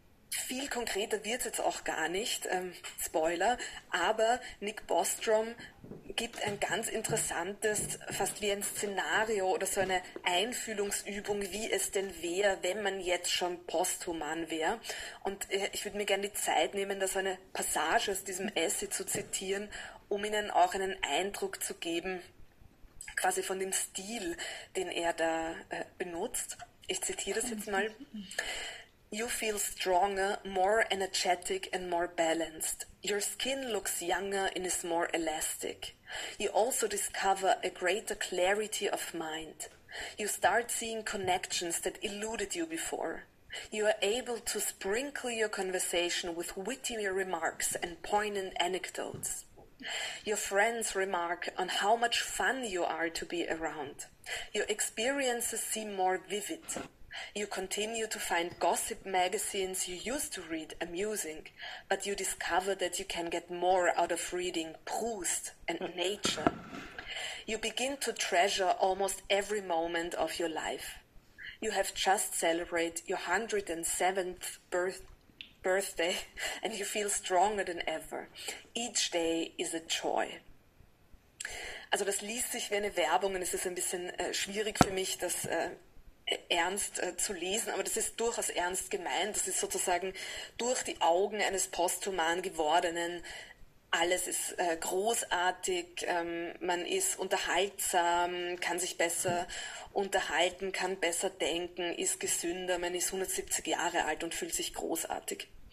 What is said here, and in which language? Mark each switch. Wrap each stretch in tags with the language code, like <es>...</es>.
<de>Viel konkreter wird es jetzt auch gar nicht, Spoiler, aber Nick Bostrom gibt ein ganz interessantes, fast wie ein Szenario oder so eine Einfühlungsübung, wie es denn wäre, wenn man jetzt schon posthuman wäre. Und ich würde mir gerne die Zeit nehmen, da so eine Passage aus diesem Essay zu zitieren, um Ihnen auch einen Eindruck zu geben, quasi von dem Stil, den er da benutzt. Ich zitiere das jetzt mal.</de> <en>You feel stronger, more energetic and more balanced. Your skin looks younger and is more elastic. You also discover a greater clarity of mind. You start seeing connections that eluded you before. You are able to sprinkle your conversation with witty remarks and poignant anecdotes. Your friends remark on how much fun you are to be around. Your experiences seem more vivid. You continue to find gossip magazines you used to read amusing, but you discover that you can get more out of reading Proust and nature. You begin to treasure almost every moment of your life. You have just celebrated your 107th birthday, and you feel stronger than ever. Each day is a joy.</en> <de>Also das liest sich wie eine Werbung und es ist ein bisschen schwierig für mich, das ernst zu lesen, aber das ist durchaus ernst gemeint. Das ist sozusagen durch die Augen eines posthuman gewordenen. Alles ist großartig, man ist unterhaltsam, kann sich besser unterhalten, kann besser denken, ist gesünder, man ist 170 Jahre alt und fühlt sich großartig.</de>